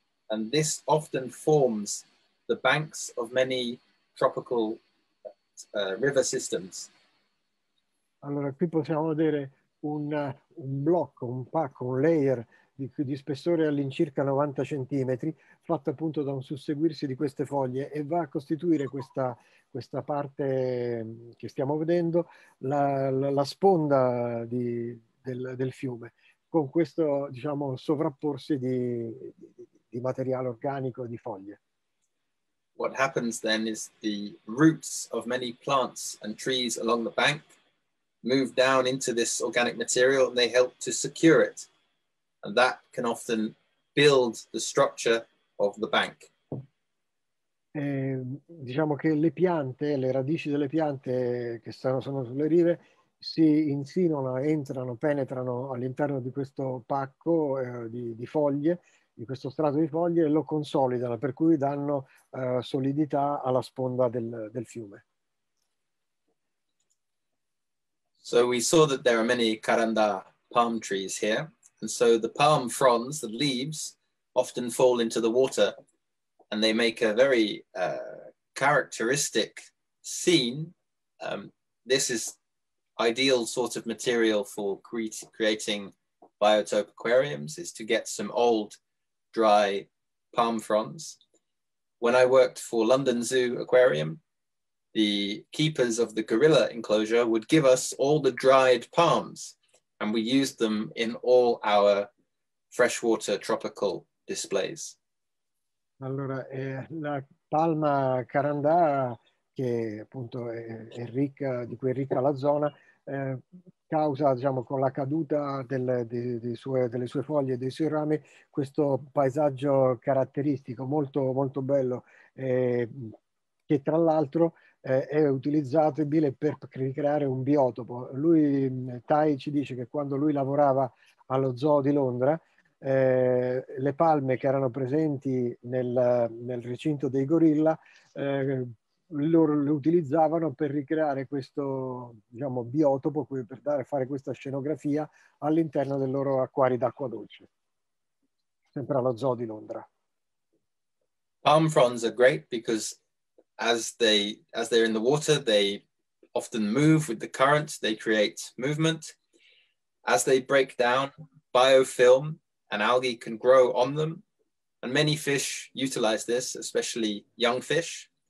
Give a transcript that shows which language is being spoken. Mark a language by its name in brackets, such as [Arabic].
[English] And this often forms the banks of many tropical river systems. [Italian] Allora, qui possiamo vedere un blocco, un pacco, un layer di spessore all'incirca 90 centimetri, fatto appunto da un susseguirsi di queste foglie, e va a costituire questa parte che stiamo vedendo, la sponda del fiume, con questo, diciamo, sovrapporsi di materiale organico, di foglie. [English] What happens then is the roots of many plants and trees along the bank move down into this organic material and they help to secure it. And that can often build the structure of the bank. [Italian] Diciamo che le piante, le radici delle piante che sono sulle rive, si insinuano, entrano, penetrano all'interno di questo pacco di foglie, di questo strato di foglie, e lo consolidano, per cui danno solidità alla sponda del fiume. [English] So we saw that there are many caranda palm trees here. And so the palm fronds, the leaves, often fall into the water and they make a very characteristic scene. This is ideal sort of material for creating biotope aquariums, is to get some old dry palm fronds. When I worked for London Zoo Aquarium, the keepers of the gorilla enclosure would give us all the dried palms. And we used them in all our freshwater tropical displays. [Italian] Allora, la palma carandà, che appunto è ricca, di cui è ricca la zona, causa, diciamo, con la caduta delle sue foglie e dei suoi rami, questo paesaggio caratteristico molto molto bello, che tra l'altro è utilizzabile per creare un biotopo. Lui, Tai, ci dice che quando lui lavorava allo zoo di Londra, le palme che erano presenti nel recinto dei gorilla, loro le utilizzavano per ricreare questo, diciamo, biotopo, per fare questa scenografia all'interno del loro acquario d'acqua dolce, sempre allo zoo di Londra. [English] Palm fronds are great because as they're in the water, they often move with the current, they create movement. As they break down, biofilm and algae can grow on them. And many fish utilize this, especially young fish.